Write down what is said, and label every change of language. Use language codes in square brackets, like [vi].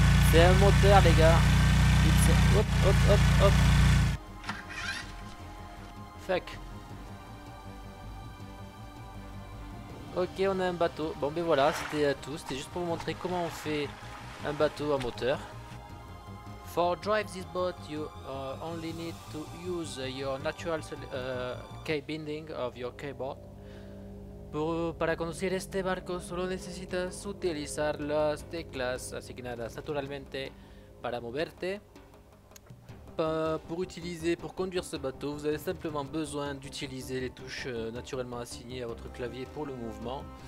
[fr] C'est un moteur les gars. Hop. [en] Fuck. [fr] Ok, on a un bateau. Bon ben voilà, c'était tout. C'était juste pour vous montrer comment on fait un bateau à moteur. [en] For drive this boat, you only need to use your natural key binding of your keyboard. [es] Para conducir este barco solo necesitas utilizar las teclas asignadas naturalmente para moverte. [fr] Pour conduire ce bateau, vous avez simplement besoin d'utiliser les touches naturellement assignées à votre clavier pour le mouvement.